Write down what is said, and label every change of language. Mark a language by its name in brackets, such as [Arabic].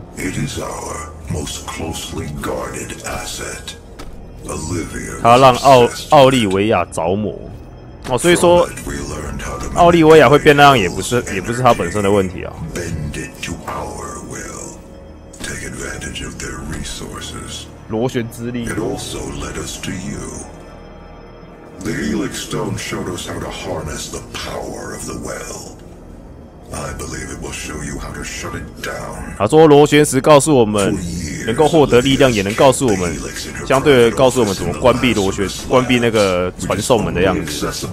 [English] It is our most closely guarded asset, Olivia. [Chinese] 他让奥利维亚着魔。哦，所以说奥利维亚会变那样，也不是他本身的问题啊。 [English] Bend it to our will, take advantage of their resources. [Chinese] 螺旋之力。 [English] It also led us to you. The Helix Stone showed us how to harness the power of the well. I believe it will show you how to shut it down. [Chinese] 他说螺旋石告诉我们能够获得力量，也能告诉我们，相对的告诉我们怎么关闭螺旋，关闭那个传送门的样子。